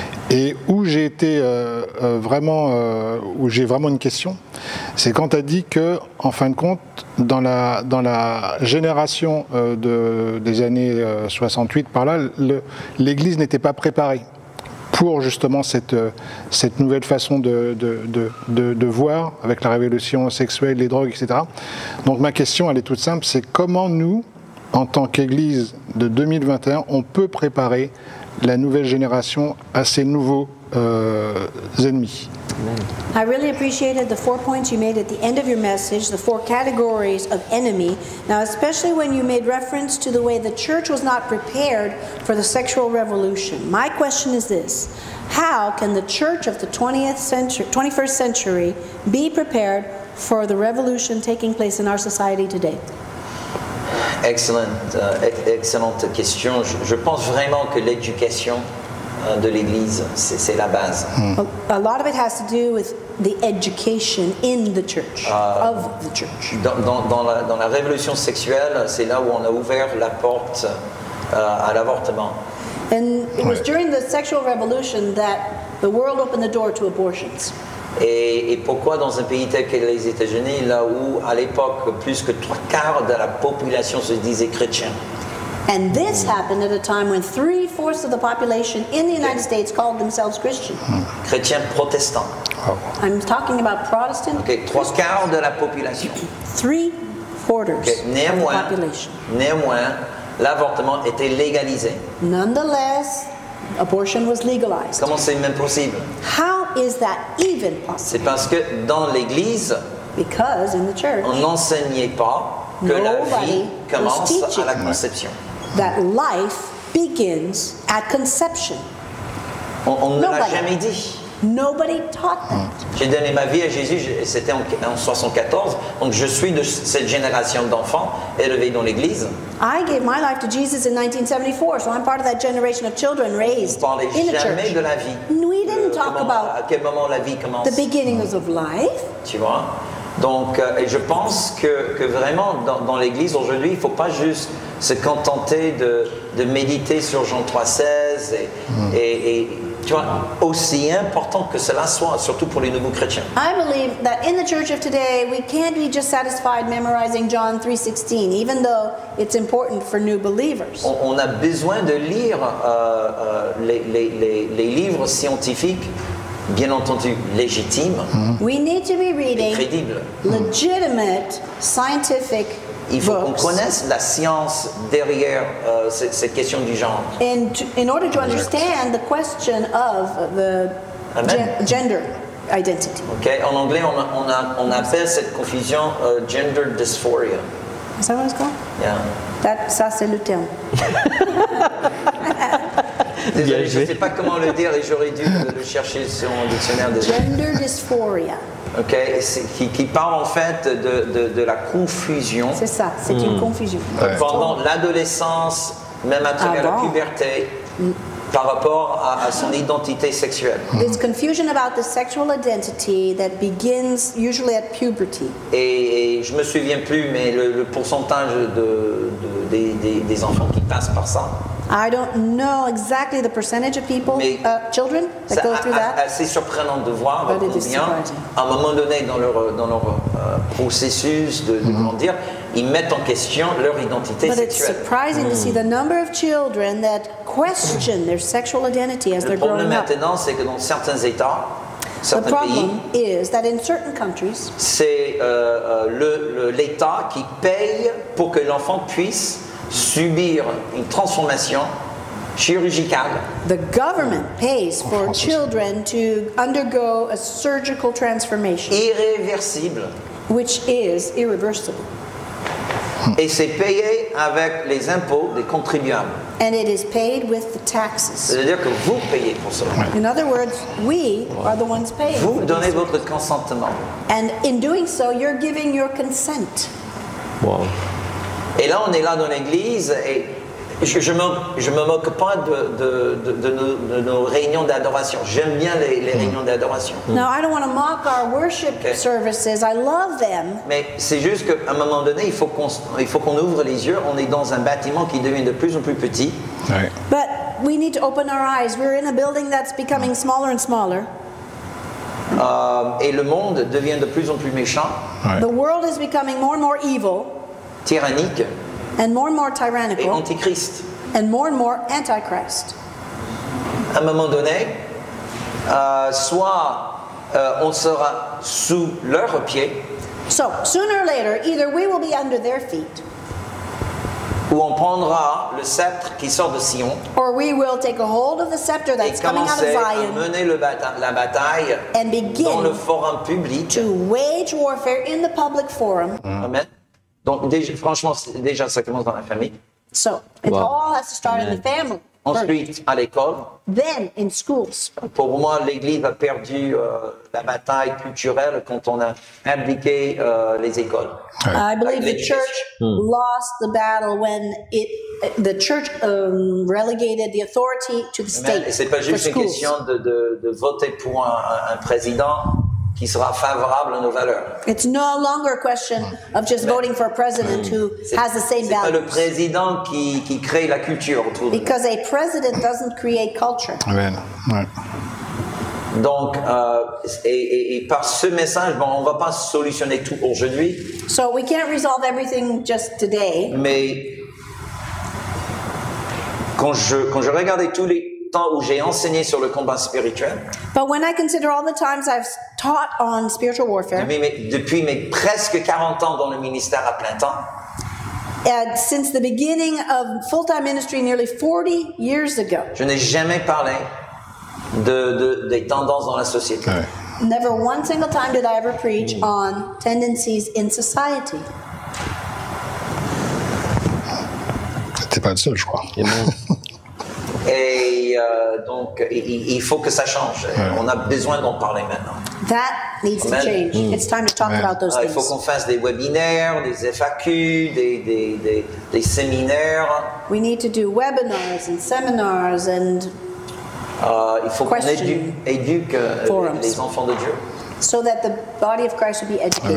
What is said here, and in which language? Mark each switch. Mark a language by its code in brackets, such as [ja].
[fr] Et où j'ai été où j'ai vraiment une question, c'est quand tu as dit que, en fin de compte, dans la génération des années 68, par là, l'Église n'était pas préparée pour justement cette nouvelle façon de voir avec la révolution sexuelle, les drogues, etc. Donc ma question, elle est toute simple, c'est comment nous, en tant qu'Église de 2021, on peut préparer la nouvelle génération à ces nouveaux ennemis. [en] I really appreciated the four points you made at the end of your message, the four categories of enemy. Now, especially when you made reference to the way the church was not prepared for the sexual revolution. My question is this: how can the church of the 21st century be prepared for the revolution taking place in our society today? [fr] Excellente question. Je pense vraiment que l'éducation de l'Église, c'est la base. [en] A lot of it has to do with the education in the church, of the church. [fr] Dans la révolution sexuelle, c'est là où on a ouvert la porte à l'avortement. [en] And it was during the sexual revolution that the world opened the door to abortions. [fr] Et pourquoi dans un pays tel que les États-Unis, là où à l'époque plus que 3/4 de la population se disait chrétien? [en] And this happened at a time when 3/4 of the population in the United States called themselves Christian. [fr] Chrétien protestant. [en] Oh. I'm talking about Protestant. [fr] Okay, 3/4 de la population. [en] 3/4 okay. of the population. [fr] Néanmoins, l'avortement était légalisé. [en] Nonetheless, abortion was legalized. [fr] Comment c'est même possible? [en] How is that even possible? [fr] C'est parce que dans l'Église, [en] because in the church, [fr] on n'enseignait pas que la vie commence à la conception. [en] That life begins at conception. [fr] On ne l'a jamais dit. [en] Nobody taught that. [fr] J'ai donné ma vie à Jésus, c'était en 74, donc je suis de cette génération d'enfants élevés dans l'Église. [en] I gave my life to Jesus in 1974, so I'm part of that generation of children raised in the church. [fr] On ne parlait jamais de la vie. [en] We didn't talk about [fr] à quel moment la vie commence. [en] The beginnings of life. [fr] Tu vois? Donc, et je pense que vraiment, dans l'Église aujourd'hui, il ne faut pas juste se contenter de méditer sur Jean 3:16 et tu vois, aussi important que cela soit, surtout pour les nouveaux chrétiens. [en] I believe that in the church of today, we can't be just satisfied memorizing John 3:16, even though it's important for new believers. [fr] On a besoin de lire les livres scientifiques. Bien entendu, légitime. [en] We need to be reading legitimate scientific [fr] Il faut [en] books. [fr] Qu'on connaisse la science derrière cette question du genre. [en] In order to understand the question of the gender identity. Okay. [fr] En anglais, on appelle cette confusion gender dysphoria. [en] Is that what it's called? Yeah. [fr] Ça, c'est le terme. Désolé, je ne sais pas comment le dire et j'aurais dû le chercher sur mon dictionnaire. Déjà. [en] Gender dysphoria. [fr] Ok, qui parle en fait de la confusion. C'est ça, c'est une confusion. Ouais. Pendant l'adolescence, même à travers la puberté, par rapport à son identité sexuelle. [en] It's confusion about the sexual identity that begins usually at puberty. [fr] Et je me souviens plus, mais le pourcentage des enfants qui passent par ça. [en] I don't know exactly the percentage of people, children that go through that. [fr] C'est assez surprenant de voir combien, à un moment donné dans leur processus de grandir, ils mettent en question leur identité [en] but [fr] sexuelle. [en] But it's surprising to see the number of children that question their sexual identity as they're growing up. [fr] Le problème maintenant, c'est que dans certains États, [en] the problem [fr] pays, [en] is that in certain countries, [fr] c'est l'État qui paye pour que l'enfant puisse subir une transformation chirurgicale. [en] The government pays for children to undergo a surgical transformation. [fr] Irréversible. [en] Which is irreversible. [fr] Et c'est payé avec les impôts des contribuables. [en] And it is paid with the taxes. [fr] C'est-à-dire que vous payez pour ça. [en] In other words, we are the ones paying. [fr] Vous donnez votre consentement. [en] And in doing so, you're giving your consent. Wow. [fr] Et là, on est là dans l'église et je me moque pas de nos réunions d'adoration. J'aime bien les réunions d'adoration. [en] No, I don't want to mock our worship services. I love them. [fr] Mais c'est juste qu'à un moment donné, il faut qu'on ouvre les yeux. On est dans un bâtiment qui devient de plus en plus petit. [en] Right. But we need to open our eyes. We're in a building that's becoming smaller and smaller. [fr] Et le monde devient de plus en plus méchant. [en] Right. The world is becoming more and more evil. [fr] Tyrannique [en] and more tyrannical, [fr] et antichrist. [en] And more antichrist. [fr] À un moment donné, soit on sera sous leurs pieds. [en] So, sooner or later, either we will be under their feet. [fr] Ou on prendra le sceptre qui sort de Sion. [en] Or we will take a hold of the scepter that's coming out of Zion. [fr] Et commencer à mener la bataille [en] and begin [fr] dans le forum public. [en] To wage warfare in the public forum. Amen. [fr] Donc déjà, franchement, déjà ça commence dans la famille. [en] So, it all has to start in the family. [fr] Ensuite, à l'école. [en] Then, in schools. [fr] Pour moi, l'Église a perdu la bataille culturelle quand on a abdiqué les écoles. [en] I believe the church lost the battle when the church relegated the authority to the state. [fr] C'est pas juste une question de voter pour un président qui sera favorable à nos valeurs. [en] It's no longer a question of just voting for a president who has the same values. [fr] C'est pas le président qui crée la culture autour de nous. [en] Because a president doesn't create culture. [fr] Amen. Ouais. Donc, et par ce message, bon, on va pas solutionner tout aujourd'hui. [en] So we can't resolve everything just today. [fr] Mais quand je regardais tous les temps où j'ai enseigné sur le combat spirituel. [en] But when I consider all the times I've taught on spiritual warfare. [fr] Depuis mes presque 40 ans dans le ministère à plein temps. [en] And since the beginning of full-time ministry nearly 40 years ago. [fr] Je n'ai jamais parlé des tendances dans la société. [en] Okay. Never one single time did I ever preach on tendencies in society. [fr] T'es pas le seul, je crois. Et donc, il faut que ça change. Ouais. On a besoin d'en parler maintenant. [en] That needs to change. It's time to talk about those things. [fr] Il faut qu'on fasse des webinaires, des FAQ, des séminaires. [en] We need to do webinars and seminars and [fr] il faut qu'on éduque les enfants de Dieu. [en] So that the body of Christ will be educated.